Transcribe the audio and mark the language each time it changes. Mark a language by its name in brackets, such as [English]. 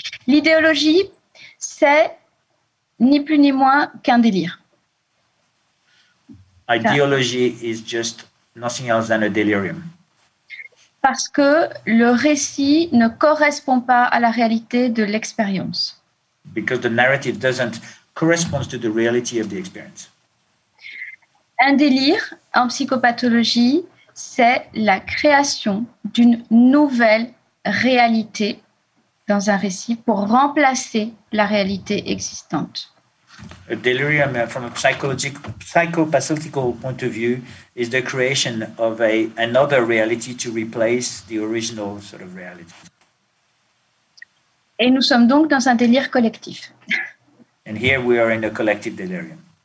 [French] L'idéologie, c'est ni plus ni moins qu'un délire. [English] Ideology is just nothing else than a delirium. [French] Parce que le récit ne correspond pas à la réalité de l'expérience. [English] Because the narrative doesn't correspond to the reality of the experience. [French] Un délire en psychopathologie, c'est la création d'une nouvelle réalité dans un récit pour remplacer la réalité existante. [English] A delirium, from a psychopathological point of view, is the creation of another reality to replace the original sort of reality. [French] Et nous sommes donc dans un délire collectif. [English] And here we are in a collective delirium.